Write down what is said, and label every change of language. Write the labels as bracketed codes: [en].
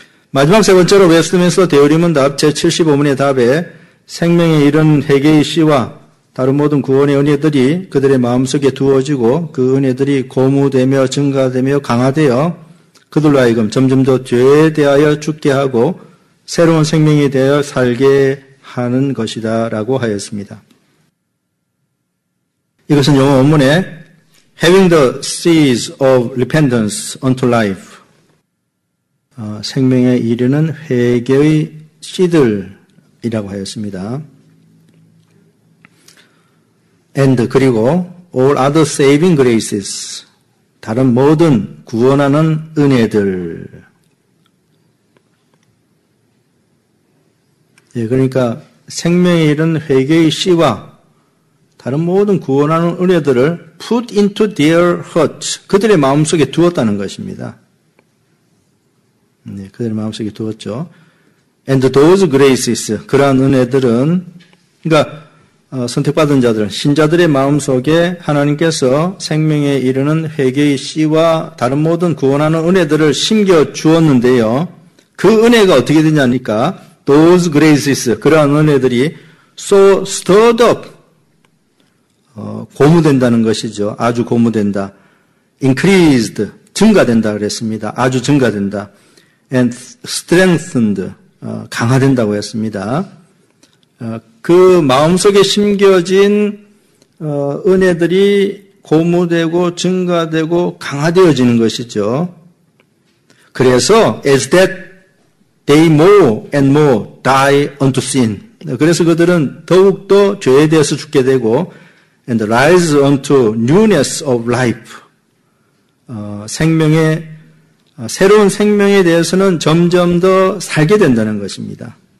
[ko] 마지막 세 번째로 웨스트민스터 대오리문답 제75문의 답에 생명에 이른 회개의 씨와 다른 모든 구원의 은혜들이 그들의 마음속에 두어지고 그 은혜들이 고무되며 증가되며 강화되어 그들로 하여금 점점 더 죄에 대하여 죽게 하고 새로운 생명이 되어 살게 하는 것이다 라고 하였습니다. 이것은 영어 원문에 [en] having the seeds of repentance unto life. [ko] 생명에 이르는 회개의 씨들이라고 하였습니다. [en] And, [ko] 그리고 [en] all other saving graces. [ko] 다른 모든 구원하는 은혜들. 예, 그러니까 생명에 이른 회개의 씨와 다른 모든 구원하는 은혜들을 [en] put into their hearts. [ko] 그들의 마음속에 두었다는 것입니다. 네, 그들의 마음속에 두었죠. [en] And those graces. [ko] 그러한 은혜들은, 그러니까, 선택받은 자들, 신자들의 마음속에 하나님께서 생명에 이르는 회개의 씨와 다른 모든 구원하는 은혜들을 심겨 주었는데요. 그 은혜가 어떻게 되냐니까, [en] those graces. [ko] 그러한 은혜들이 [en] so stirred up. [ko] 고무된다는 것이죠. 아주 고무된다. [en] increased, [ko] 증가된다 그랬습니다. 아주 증가된다. [en] and strengthened, [ko] 강화된다고 했습니다. 그 마음속에 심겨진 은혜들이 고무되고 증가되고 강화되어지는 것이죠. 그래서 [en] as that they more and more die unto sin. [ko] 그래서 그들은 더욱더 죄에 대해서 죽게 되고 [en] and rise unto newness of life. [ko] 생명의, 새로운 생명에 대해서는 점점 더 살게 된다는 것입니다.